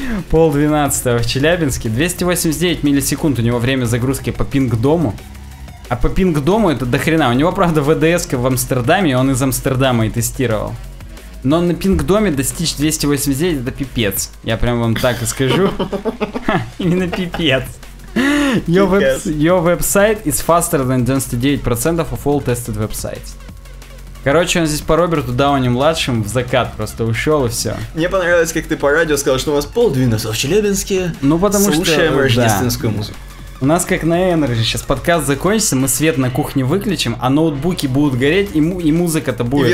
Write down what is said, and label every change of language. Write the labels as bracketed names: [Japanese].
[Russian] 11:30 в Челябинске, 289 миллисекунд у него время загрузки по пинг-дому. А по пинг-дому это дохрена, у него, правда, ВДС-ка в Амстердаме, он из Амстердама и тестировал. Но на пинг-доме достичь 289 это пипец, я прям вам так и скажу. Именно пипец. [English] Your website is faster than 99% of all tested websites. [Russian] Короче, он здесь по Роберту Дауни-младшим в закат просто ушел и все. Мне понравилось, как ты по радио сказал, что у вас 11:30 в Челябинске. Ну, потому слушаем что, рождественскую да. музыку. У нас как на Energy, сейчас подкаст закончится, мы свет на кухне выключим, а ноутбуки будут гореть, и музыка-то будет